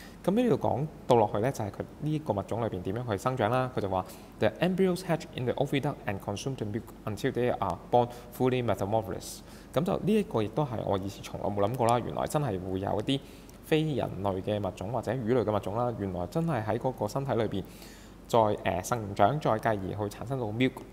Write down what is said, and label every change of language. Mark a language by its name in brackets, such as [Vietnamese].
[Cantonese] 咁呢度講到落去咧，就係佢呢個物種裏邊點樣去生長啦。佢就話 [English] ：The embryos hatch in the oviduct and consume the milk until they are born fully metamorphosed。 [Cantonese] 咁就呢一個亦都係我以前從來冇諗過啦。原來真係會有一啲非人類嘅物種或者魚類嘅物種啦，原來真係喺嗰個身體裏邊再成長，再繼而去產生到 milk。